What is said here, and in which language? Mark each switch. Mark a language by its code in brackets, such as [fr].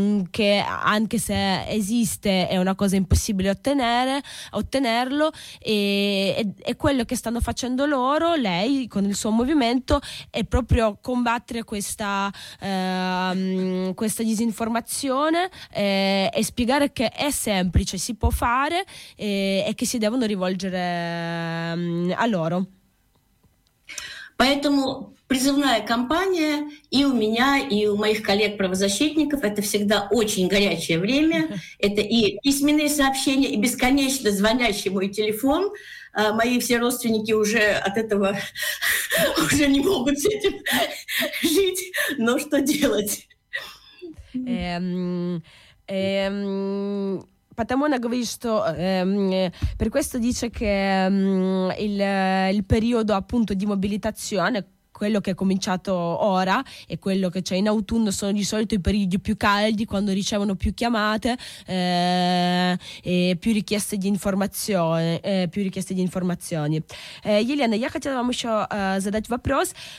[it] che anche se esiste è una cosa impossibile ottenerlo, e quello che stanno facendo loro, lei con il suo movimento, è proprio combattere questa disinformazione e spiegare che è semplice, si può fare e che si devono rivolgere a loro. [ru] Поэтому призывная кампания и у меня, и у моих коллег-правозащитников. Это всегда очень горячее время. Это и письменные сообщения, и бесконечно звонящий мой телефон. Мои все родственники уже от этого уже не могут с этим жить. Но что делать? Потому она говорит, что [it] per questo dice che il periodo appunto di mobilitazione, quello che è cominciato ora e quello che c'è in autunno, sono di solito i periodi più caldi, quando ricevono più chiamate e più richieste di informazioni, più richieste di informazioni. [ru] Елена, я хотела вам еще задать вопрос.